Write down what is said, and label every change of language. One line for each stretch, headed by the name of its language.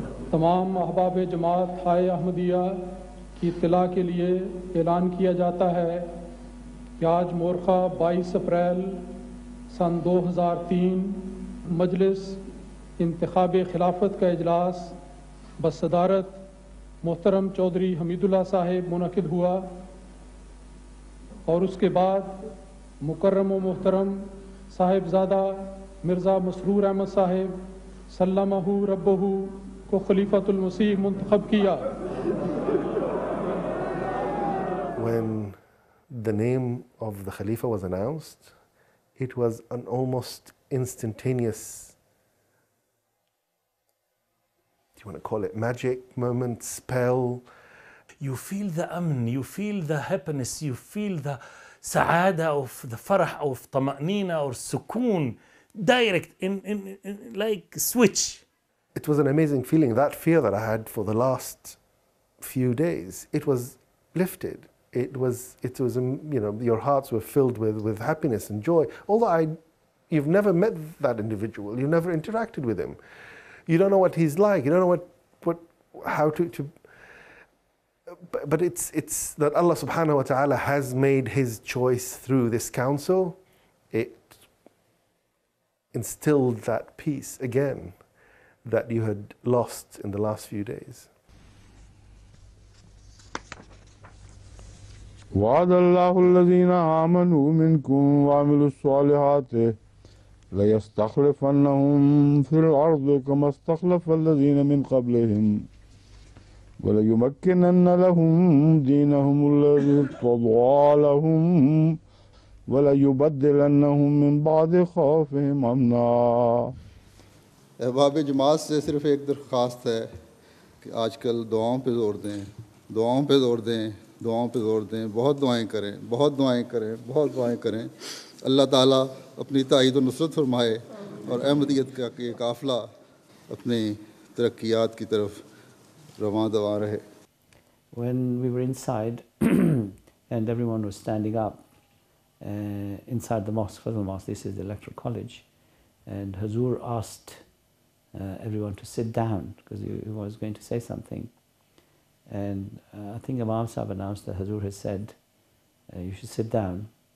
Urdu: تمام احباب جماعت ہائے احمدیہ کی اطلاع کے لیے اعلان کیا جاتا ہے کہ آج مورخہ 22 اپریل 2003 مجلس انتخاب خلافت کا اجلاس بصدارت محترم چودھری حمید اللہ صاحب منعقد ہوا, اور اس کے بعد مکرم و محترم صاحبزادہ مرزا مسرور احمد صاحب سلمہ ربہ کو خلیفۃ المسیح منتخب کیا.
English: When the name of the Khalifa was announced, it was an almost instantaneous, you want to call it magic moment, spell. You feel the amn, you feel the happiness, you feel the sa'ada of the farah of tama'nina or sukoon, direct, in like switch. It was an amazing feeling. That fear that I had for the last few days, it was lifted. It was, you know, your hearts were filled with happiness and joy. Although you've never met that individual, you've never interacted with him. You don't know what he's like. You don't know how to. But it's that Allah Subhanahu wa Taala has made His choice through this council. It instilled that peace again that you had lost in the last few days.
Arabic: وَعَدَ اللَّهُ الَّذِينَ آمَنُوا مِنْكُمْ وَعَمِلُوا الصَّالِحَاتِ ليستخلفنهم في الأرض كما استخلف الذين من قبلهم وليمكنن لهم دينهم الذي ارتضى لهم وليبدلنهم من بعد خوفهم أمنا.
Urdu: احباب جماعت سے صرف ایک درخواست ہے کہ آج کل دعاؤں پہ زور دیں, دعاؤں پہ زور دیں, دعاؤں پہ زور دیں. بہت دعائیں کریں, بہت دعائیں کریں, بہت دعائیں کریں. اللہ تعالیٰ اپنی تائید و نصرت فرمائے اور احمدیت کا یہ قافلہ اپنی ترقیات کی طرف رواں دواں رہے.
English: When we were inside and everyone was standing up inside the mosque, Fazl Mosque, this is the electoral college, and Hazur asked everyone to sit down because he was going to say something. And I think Imam Sahib announced that Hazur has said, you should sit down.